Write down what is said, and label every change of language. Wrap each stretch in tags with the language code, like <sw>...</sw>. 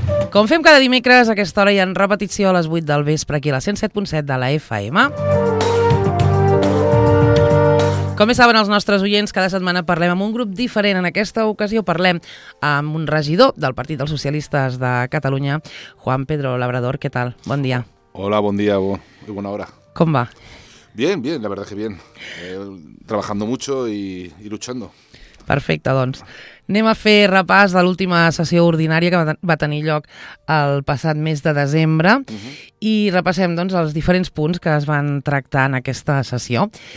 <ca>Com fem cada dimecres, a aquesta hora hi ha repetició a les 8 del vespre aquí a la 107.7 de la FM. Com bé saben els nostres oients, cada setmana parlem amb un grup diferent. En aquesta ocasió parlem amb un regidor del Partit dels Socialistes de Catalunya, Juan Pedro Labrador. Què tal? Bon dia.</ca> <es>Hola, bon dia y buena hora. Com va? Bien, bien, la verdad que bien. Trabajando mucho y luchando.</es> <ca>Perfecte, doncs. Anem a fer repàs de l'última sessió ordinària que va tenir lloc el passat mes de desembre i repassem doncs, els diferents punts que es van tractar en aquesta sessió.</ca>